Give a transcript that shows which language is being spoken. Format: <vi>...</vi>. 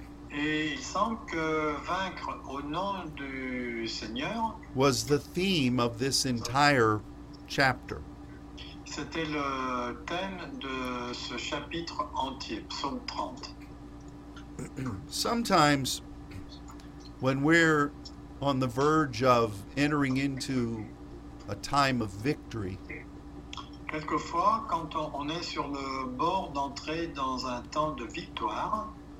<fr>et il semble que vaincre au nom du Seigneur</fr> <en>was the theme of this entire chapter.</en> <fr>C'était le thème de ce chapitre entier, psaume 30.</fr> <en>Sometimes, when we're on the verge of entering into a time of victory,</en> <fr>quelquefois, quand on est sur le bord d'entrer dans un temps de victoire,</fr>